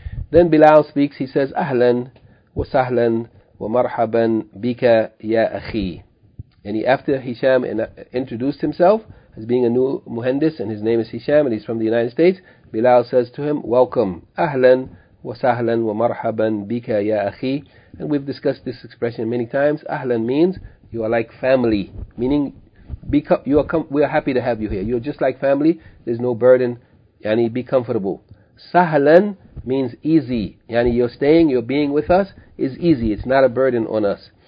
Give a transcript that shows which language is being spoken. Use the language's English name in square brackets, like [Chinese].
[English] Then Bilal speaks, he says, [Arabic] أهلا وسهلا ومرحبا بك يا أخي. [English] And after Hisham introduced himself as being a new muhandis, and his name is Hisham, and he's from the United States, Bilal says to him, welcome. [Arabic] أهلا وسهلا ومرحبا بك يا أخي. [English] And we've discussed this expression many times. أهلا means you are like family, meaning we are happy to have you here. You're just like family. There's no burden. Yani, be comfortable. Sahlan means easy. Yani, you're staying, you're being with us is easy. It's not a burden on us.